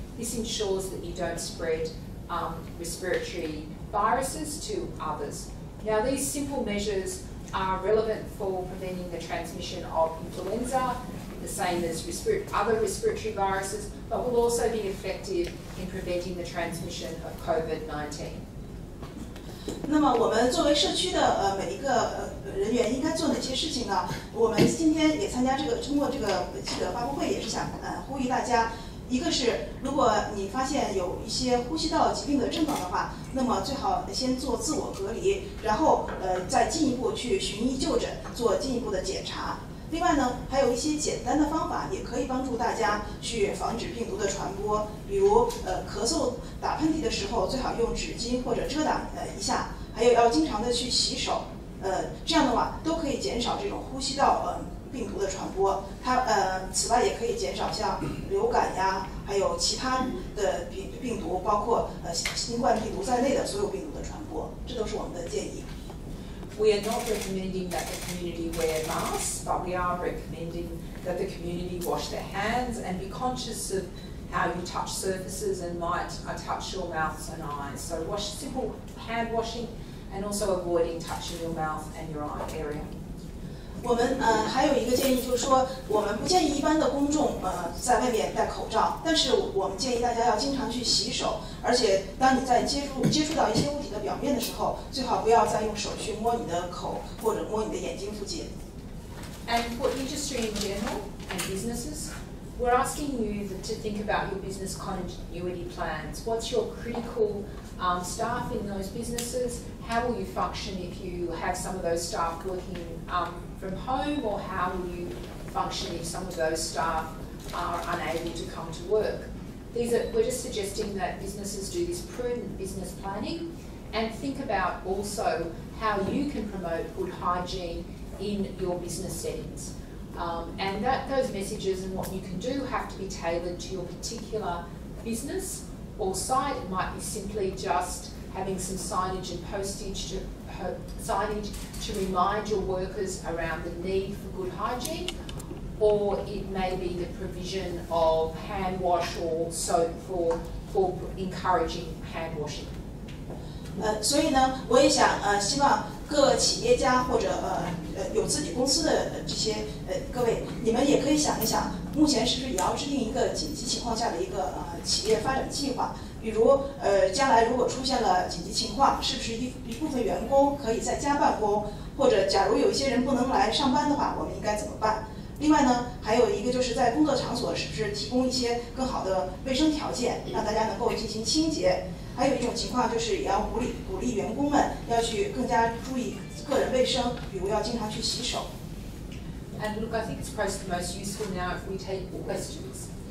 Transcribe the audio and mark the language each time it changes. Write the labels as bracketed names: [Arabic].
[English] This ensures that you don't spread respiratory viruses to others. Now these simple measures are relevant for preventing the transmission of influenza, the same as other respiratory viruses, but will also be effective in preventing the transmission of COVID-19. [Chinese] 那么我们作为社区的每一个人员应该做哪些事情呢？我们今天也参加这个，通过这个记者发布会，也是想呼吁大家，一个是如果你发现有一些呼吸道疾病的症状的话，那么最好先做自我隔离，然后再进一步去寻医就诊，做进一步的检查。另外呢，还有一些简单的方法也可以帮助大家去防止病毒的传播，比如咳嗽、打喷嚏的时候，最好用纸巾或者遮挡一下，还有要经常的去洗手，这样的话都可以减少这种呼吸道病毒的传播。它此外也可以减少像流感呀，还有其他的病毒，包括新冠病毒在内的所有病毒的传播，这都是我们的建议。 [English] We are not recommending that the community wear masks, but we are recommending that the community wash their hands and be conscious of how you touch surfaces and might touch your mouths and eyes. So wash simple hand washing and also avoiding touching your mouth and your eye area. [Chinese] 我们还有一个建议，就是说我们不建议一般的公众在外面戴口罩，但是我们建议大家要经常去洗手，而且当你在接触到一些物体的表面的时候，最好不要再用手去摸你的口或者摸你的眼睛附近。 [English] And for industry in general and businesses, we're asking you to think about your business continuity plans. What's your critical staff in those businesses? How will you function if you have some of those staff working from home, or how will you function if some of those staff are unable to come to work? We're just suggesting that businesses do this prudent business planning and think about also how you can promote good hygiene in your business settings. And that those messages and what you can do have to be tailored to your particular business or site. It might be simply just having some signage and postage to signage to remind your workers around the need for good hygiene, or it may be the provision of hand wash or soap for encouraging hand washing. [Chinese] 所以呢，我也想希望各企业家或者有自己公司的这些各位，你们也可以想一想，目前是不是也要制定一个紧急情况下的一个企业发展计划？比如，将来如果出现了紧急情况，是不是一部分员工可以在家办公？或者，假如有一些人不能来上班的话，我们应该怎么办？另外呢，还有一个就是在工作场所是不是提供一些更好的卫生条件，让大家能够进行清洁？还有一种情况就是也要鼓励员工们要去更加注意个人卫生，比如要经常去洗手。 [English] And look, I think it's probably the most useful now if we take questions.